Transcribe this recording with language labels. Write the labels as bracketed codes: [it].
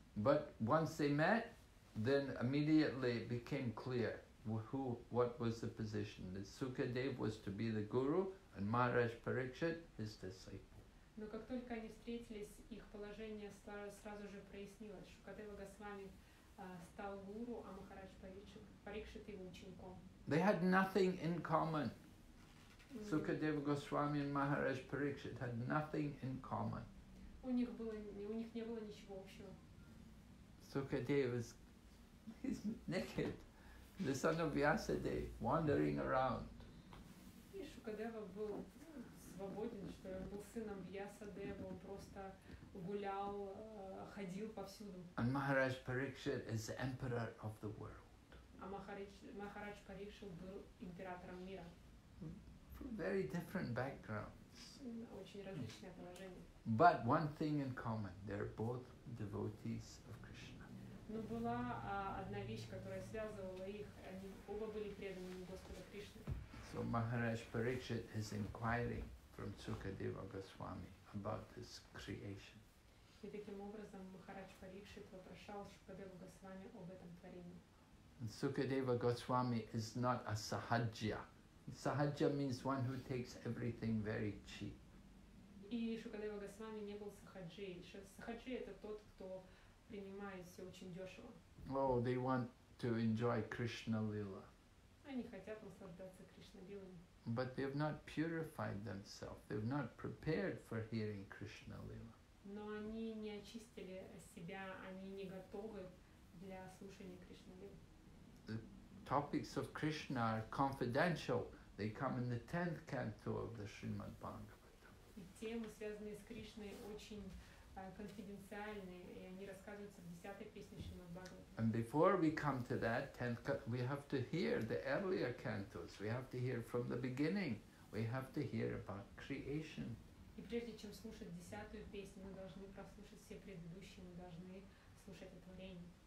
[en] But once they met, then immediately it became clear what was the position. That Sukadeva was to be the guru and Maharaj Parikshit his disciple. [ru] Но как только они встретились, их положение сразу же прояснилось. Шукадева Госвами стал гуру, а Махарадж Парикшит его учеником. [en] They had nothing in common. Sukadeva Goswami and Maharaj Parikshit had nothing in common. [ru] У них не было ничего общего. [en] Sukadeva is naked. The son of Vyasadeva wandering around. [ru] И Шукадева был свободен, что он был сыном Вьясадева, он просто гулял, ходил повсюду. [en] And Maharaj Parikshit is the emperor of the world. [ru] А Махарадж Парикшит был императором мира. [en] Very different backgrounds. [ru] Очень различное положение. [en] But one thing in common, they're both devotees of Krishna. [ru] Но была одна вещь, которая связывала их, они оба были преданными Господу Кришне. [en] So Maharaj Parikshit is inquiring from Sukadeva Goswami about this creation. [ru] И таким образом Махарадж Парикшит вопрошал Шукадеву Госвами об этом творении. [en] And Sukadeva Goswami is not a sahajya. Sahajya means one who takes everything very cheap. [ru] И Шукадева Госвами не был сахаджей. Сахаджи это тот, кто принимает все очень дешево. [en] Oh, they want to enjoy Krishna Lila. [ru] Они хотят наслаждаться Кришна Лилами. [en] But they have not purified themselves. They have not prepared for hearing Krishna Lila. [ru] Но они не очистили себя. Они не готовы для слушания Кришна Лилы. [en] The topics of Krishna are confidential. They come in the 10th canto of the Srimad Bhagavatam. [ru] темы, связанные с Кришной, очень конфиденциальные, и они рассказываются в 10-й песне Шримад-Бхагаватам. [en] And before we come to that, we have to hear the earlier cantos. We have to hear from the beginning. We have to hear about creation. [ru] И прежде чем слушать 10-ю песню, мы должны прослушать все предыдущие, мы должны слушать о творении.